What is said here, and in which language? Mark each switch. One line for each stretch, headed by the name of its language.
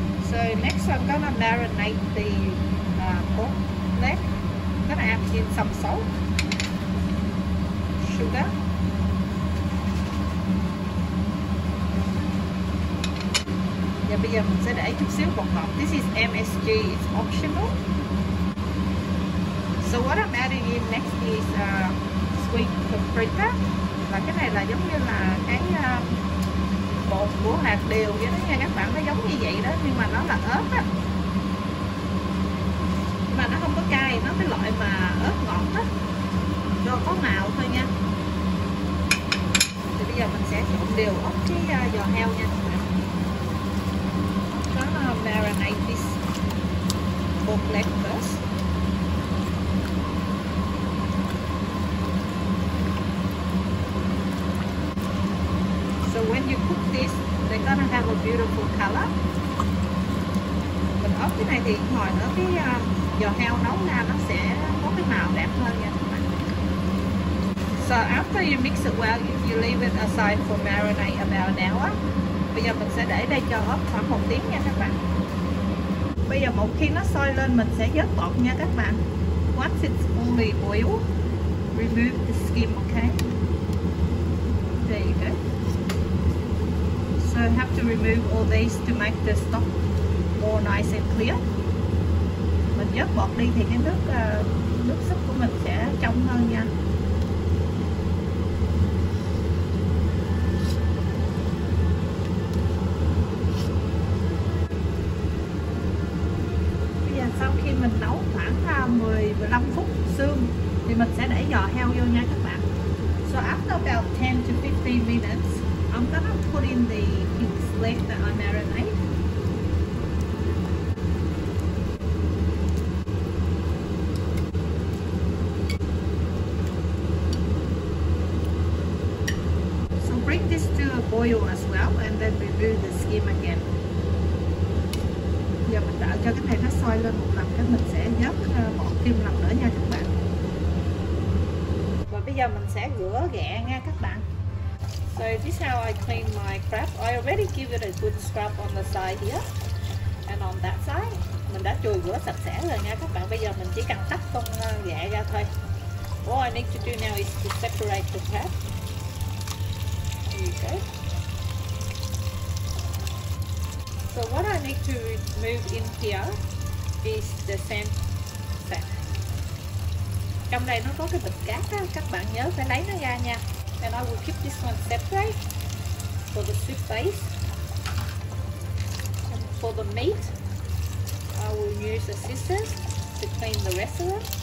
English: So next I'm gonna marinate the pork leg. Gonna add in some salt, sugar,
Vietnamese: và bây giờ mình sẽ để chút xíu bột ngọt.
English: This is MSG, it's optional. So what I'm adding in next is sweet paprika.
Vietnamese: Và cái này là giống như là cái bột của hạt điều vậy đó nha các bạn. Nó giống như vậy đó, nhưng mà nó là ớt á. Nhưng mà nó không có cay, nó cái loại mà ớt ngọt á, nó có màu thôi nha. Thì bây giờ mình sẽ trộn đều ớt với giò heo nha các bạn.
English: Gonna marinate this pork leg first. So when you cook this, they're gonna have a beautiful color.
Vietnamese: Mình ốp cái này thì ngồi ở cái giò heo nấu ra nó sẽ có cái màu đẹp hơn nha.
English: So after you mix it well, you leave it aside for marinate about an hour.
Vietnamese: Bây giờ mình sẽ để đây cho ốp khoảng 1 tiếng nha các bạn. Bây giờ một khi nó sôi lên mình sẽ vớt bột nha các bạn.
English: Once it's fully boiled, remove the skin, okay? There you go. So I have to remove all these to make the stock more nice and clear.
Vietnamese: Mình vớt bột đi thì cái nước nước súp của mình sẽ trong hơn nha. Bây giờ sau khi mình nấu khoảng 10-15 phút xương thì mình sẽ để giò heo vô nha các bạn.
English: So after about 10-15 minutes, I'm gonna put in the pig's leg that I marinate. So bring this to a boil as well and then remove the skin again.
Vietnamese: Giờ mình đợi cho cái này nó sôi lên một lần, cái mình sẽ nhấc bỏ thêm lần nữa nha các bạn. Và bây giờ mình sẽ rửa ghẹ nha các bạn.
English: So this is how I clean my crab. I already give it a good scrub on the side here and on that side.
Vietnamese: Mình đã chùi rửa sạch sẽ rồi nha các bạn. Bây giờ mình chỉ cần tắt con ghẹ ra thôi.
English: All I need to do now is to separate the crab. There you go. So what I need to remove in here is the sand sack.
Vietnamese: Trong đây nó có cái bịch cát á, các bạn nhớ phải lấy nó ra nha.
English: And I will keep this one separate for the soup base. And for the meat, I will use the scissors to clean the rest of it.